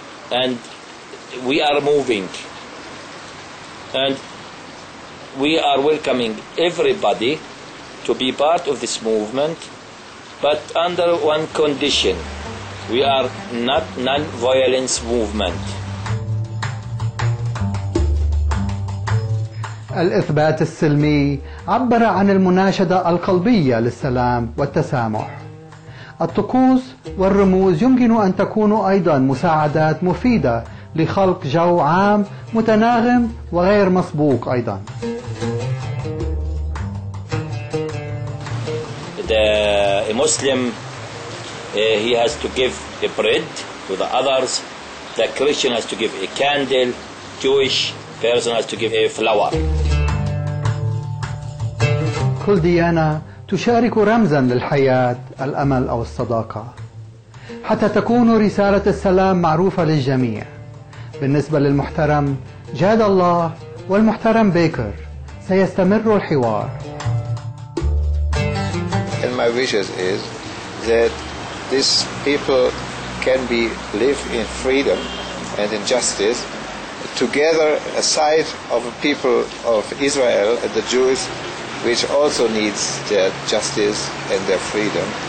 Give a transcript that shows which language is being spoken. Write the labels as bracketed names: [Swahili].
[English] And we are moving, and we are welcoming everybody to be part of this movement, but under one condition: we are not non-violence movement. [Arabic] الإثبات السلمي عبر عن المناشدة القلبية للسلام والتسامح. الطقوس والرموز يمكن أن تكون أيضاً مساعدات مفيدة لخلق جو عام متناغم وغير مسبوق أيضاً. [English] The Muslim he has to give a bread to the others. The Christian has to give a candle. Jewish person has to give a flower. [Arabic] كل ديانة تشارك رمزا للحياة الأمل أو الصداقة حتى تكون رسالة السلام معروفة للجميع. بالنسبة للمحترم جاد الله والمحترم بيكر سيستمر الحوار. [English] And my wishes is that this people can be live in freedom and in justice together, a side of a people of Israel and the Jews, which also needs their justice and their freedom.